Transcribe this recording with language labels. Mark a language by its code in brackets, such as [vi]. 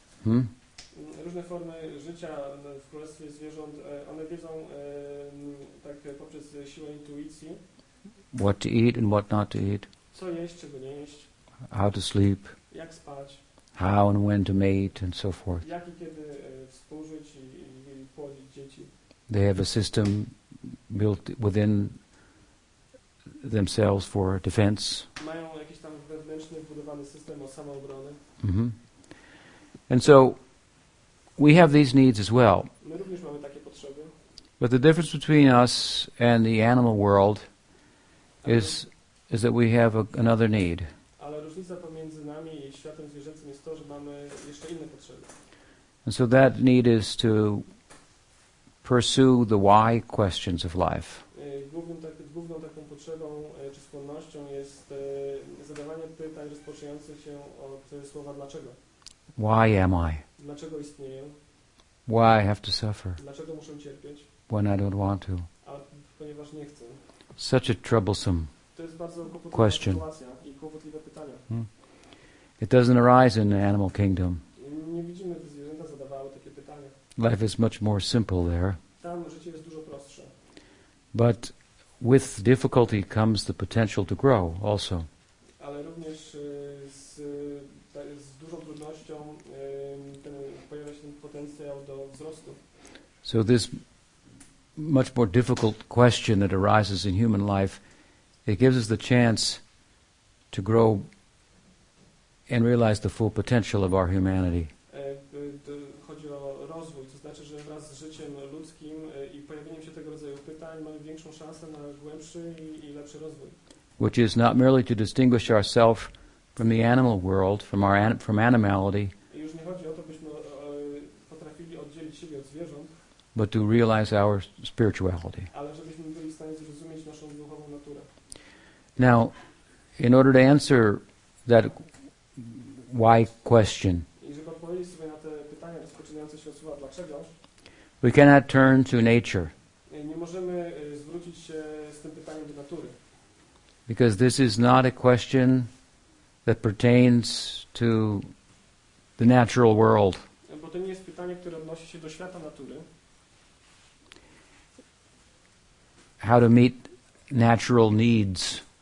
[en] What to eat and what not to eat. [pl] Co jeść, czego nie jeść. [en] How to sleep. [pl] Jak spać. [en] How and when to mate and so forth. [pl] Jak i kiedy współżyć i płodzić dzieci. [en] They have a system built within themselves for defense. [pl] Mają jakiś tam wewnętrzny budowany system o samoobronę. [en] And so we have these needs as well. [pl] My również mamy takie potrzeby. [en] But the difference between us and the animal world is that we have another need. [pl] Ale różnica pomiędzy nami i światem zwierzęcym jest to, że mamy jeszcze inne potrzeby. [en] And so that need is to pursue the why questions of life. [pl] Główną taką potrzebą czy skłonnością jest zadawanie pytań rozpoczynających się od słowa dlaczego. [en] Why am I? [pl] Dlaczego istnieję? [en] Why I have to suffer? [pl] Dlaczego muszę cierpieć? [en] When I don't want to. [pl] A ponieważ nie chcę. [en] Such a troublesome question. [pl] To jest bardzo kłopotliwa sytuacja i kłopotliwe pytanie. Hmm. [en] It doesn't arise in the animal kingdom. [pl] Nie widzimy, że zwierzęta zadawały takie pytania. [en] Life is much more simple there. [pl] Tam życie jest dużo prostsze. [en] But with difficulty comes the potential to grow also. [pl] Ale również z dużą trudnością pojawia się potencjał do wzrostu. [en] So this much more difficult question that arises in human life, it gives us the chance to grow and realize the full potential of our humanity. [pl] Chodzi o rozwój, to znaczy, że wraz z życiem ludzkim i pojawieniem się tego rodzaju pytań mamy większą szansę na głębszy i lepszy rozwój. [en] Which is not merely to distinguish ourselves from the animal world, from animality. [pl] I już nie chodzi o to, byśmy potrafili oddzielić siebie od zwierząt, [en] but to realize our spirituality. [pl] Ale żebyśmy byli w stanie zrozumieć naszą duchową naturę. [en] Now, in order to answer that why question, [pl] i żeby odpowiedzieć sobie na te pytania rozpoczynające się od słowa dlaczego, [en] we cannot turn to nature. [pl] Nie możemy zwrócić się z tym pytaniem do natury. [en] Because this is not a question that pertains to the natural world. [pl] Bo to nie jest pytanie, które odnosi się do świata natury. [en] How to meet natural needs.